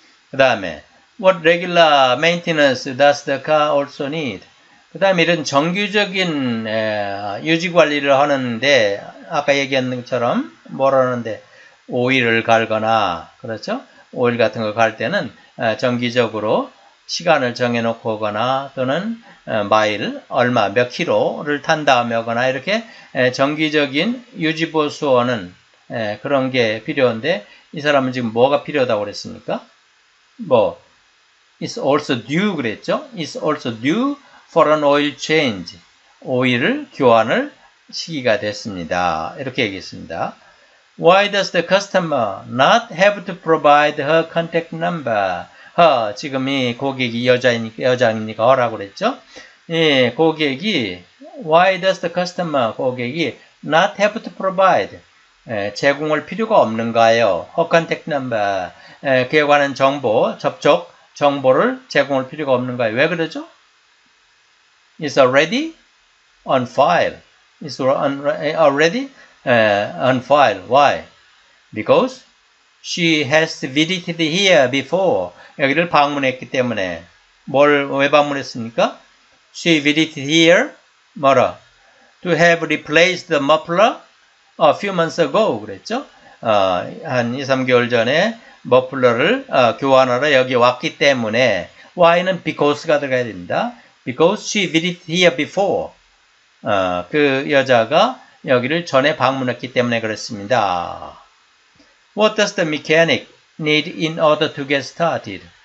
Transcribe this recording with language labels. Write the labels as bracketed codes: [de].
[ko] 그 다음에 [en] what regular maintenance does the car also need? [ko] 그 다음에 이런 정규적인 유지관리를 하는데 아까 얘기한 것처럼 뭐라는데 오일을 갈거나 그렇죠? 오일 같은 거 갈 때는 정기적으로 시간을 정해놓고 오거나 또는 마일 얼마 몇 킬로를 탄 다음에 오거나 이렇게 정기적인 유지보수원은 그런 게 필요한데 이 사람은 지금 뭐가 필요하다고 그랬습니까? 뭐 [en] It's also due [ko] 그랬죠? [en] It's also due for an oil change. [ko] 오일을 교환을 시기가 됐습니다. 이렇게 얘기했습니다. [en] Why does the customer not have to provide her contact number? [ko] 지금 이 고객이 여자이니까 허라고 그랬죠? 예, 고객이 [en] Why does the customer [ko] 고객이 [en] not have to provide [ko] 제공할 필요가 없는가요? [en] Her contact number [ko] 그에 관한 정보, 접촉 정보를 제공할 필요가 없는가요? 왜 그러죠? [en] It's already on file. It's already on file. Why? Because she has visited here before. [ko] 여기를 방문했기 때문에 뭘 왜 방문했습니까? [en] She visited here [ko] 뭐라? [en] To have replaced the muffler a few months ago [ko] 그랬죠? 한 2, 3개월 전에 머플러를 교환하러 여기 왔기 때문에 why는 because가 들어가야 됩니다. [en] Because she visited here before. [ko] 그 여자가 여기를 전에 방문했기 때문에 그랬습니다. [en] What does the mechanic need in order to get started?